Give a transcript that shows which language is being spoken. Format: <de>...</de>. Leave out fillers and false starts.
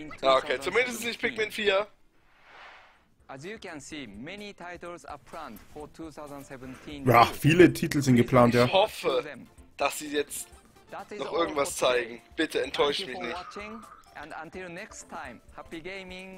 <de>Ah, okay, zumindest ist nicht Pikmin 4.</de> <en>As you can see, many titles are planned for 2017.</en> <de>Ja, viele Titel sind geplant, ja. Ich hoffe, dass sie jetzt noch irgendwas zeigen. Bitte enttäusch mich nicht.</de> <en>And until next time, happy gaming.</en>